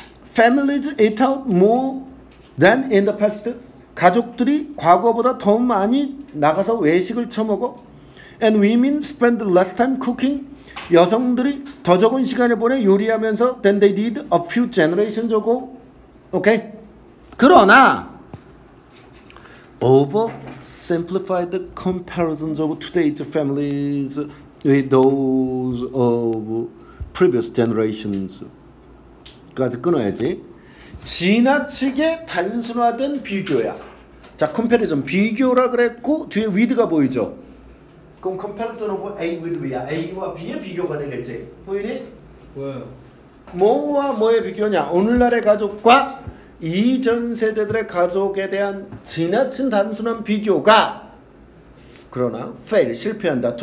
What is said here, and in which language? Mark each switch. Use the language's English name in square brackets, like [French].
[English] Families eat out more than in the past. [Korean] 가족들이 과거보다 더 많이 나가서 외식을 처먹어. [English] And women spend less time cooking. [Korean] 여성들이 더 적은 시간을 보내 요리하면서 [English] than they did a few generations ago. 오케이? [Korean] 그러나 [English] oversimplified comparisons of today's families with those of previous generations [Korean] 까지 끊어야지. 지나치게 단순화된 비교야. 자, comparison 비교라 그랬고 뒤에 with가 보이죠? 그럼 comparison of A with B야. A와 B의 비교가 되겠지. 보이니? 뭐예요? 뭐와 뭐의 비교냐? 오늘날의 가족과 이전 세대들의 가족에 대한 지나친 단순한 비교가 그러나 fail, 실패한다.